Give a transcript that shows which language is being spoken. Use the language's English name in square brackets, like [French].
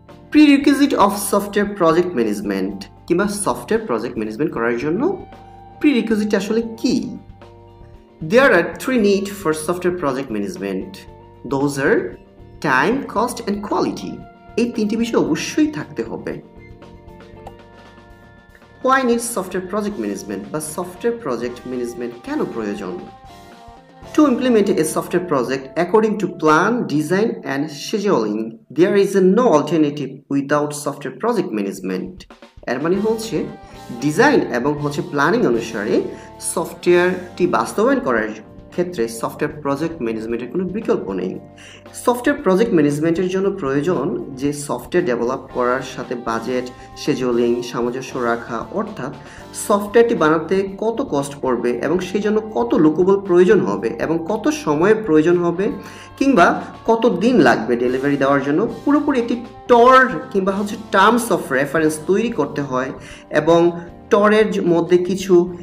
[English] prerequisite of software project management [Bangla] কিংবা software project management করার জন্য প্রিরিকুইজিট আসলে কি? [English] There are three need for software project management, those are time, cost and quality. [Bangla] এই তিনটি বিষয় অবশ্যই থাকতে হবে। [English] Why needs software project management বা software project management [Bangla] কেন প্রয়োজন? [English] To implement a software project according to plan, design and scheduling, there is no alternative without software project management. [Bangla] এর মানে হচ্ছে ডিজাইন এবং হচ্ছে প্ল্যানিং অনুসারে সফটওয়্যারটি বাস্তবায়ন করার ক্ষেত্রে সফটওয়্যার প্রজেক্ট ম্যানেজমেন্টের কোনো বিকল্প নেই। সফটওয়্যার প্রজেক্ট ম্যানেজমেন্টের জন্য প্রয়োজন যে সফটওয়্যার ডেভেলপ করার সাথে বাজেট, শেডিউলিং, সামঞ্জস্য রাখা, অর্থাৎ সফটওয়্যারটি বানাতে কত কস্ট পড়বে এবং সেই জন্য কত লোকবল প্রয়োজন হবে এবং কত সময়ের প্রয়োজন হবে কিংবা কত দিন লাগবে ডেলিভারি দেওয়ার জন্য, পুরোপুরি একটি টর কিংবা হচ্ছে টার্মস অফ রেফারেন্স তৈরি করতে হয় এবং টরের মধ্যে কিছু